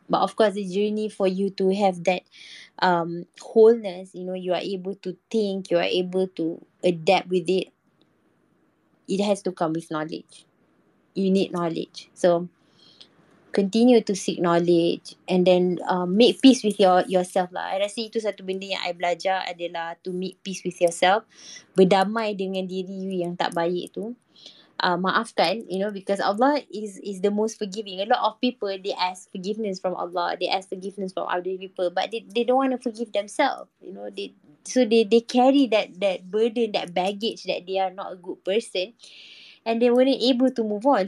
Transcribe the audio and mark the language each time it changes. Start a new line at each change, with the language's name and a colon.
English: But of course, a journey for you to have that wholeness. You know, you are able to think, you are able to adapt with it. It has to come with knowledge. You need knowledge. So continue to seek knowledge and then make peace with yourself lah.
Malay: I rasa itu satu benda yang I belajar adalah
English: to make peace with yourself.
Malay: Berdamai dengan diri you yang tak baik tu. maafkan,
English: you know, because Allah is the most forgiving. A lot of people, they ask forgiveness from Allah, they ask forgiveness from other people, but they don't want to forgive themselves, you know. So they carry that burden, that baggage, that they are not a good person, and they weren't able to move on.